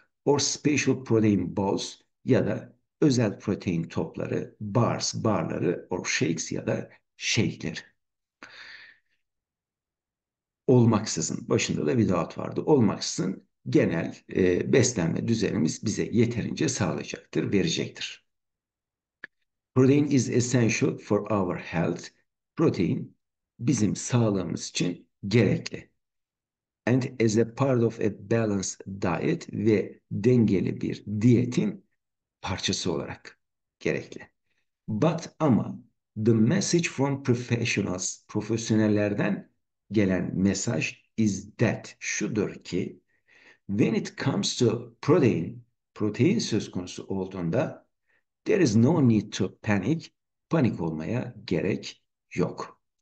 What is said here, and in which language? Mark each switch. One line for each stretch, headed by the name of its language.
English: Or special protein balls,
Turkish: ya da özel protein topları, barları,
English: or shakes
Turkish: ya da shake'leri. Olmaksızın, başında da bir without vardı, olmaksızın genel beslenme düzenimiz bize yeterince sağlayacaktır, verecektir.
English: Protein is essential for our health.
Turkish: Protein bizim sağlığımız için gerekli.
English: And as a part of a balanced diet,
Turkish: ve dengeli bir diyetin parçası olarak gerekli. Ama
English: the message from
Turkish: profesyonellerden gelen mesaj
English: is that,
Turkish: şudur ki,
English: when it comes to protein
Turkish: söz konusu olduğunda,
English: there is no need to panic,
Turkish: panik olmaya gerek yok.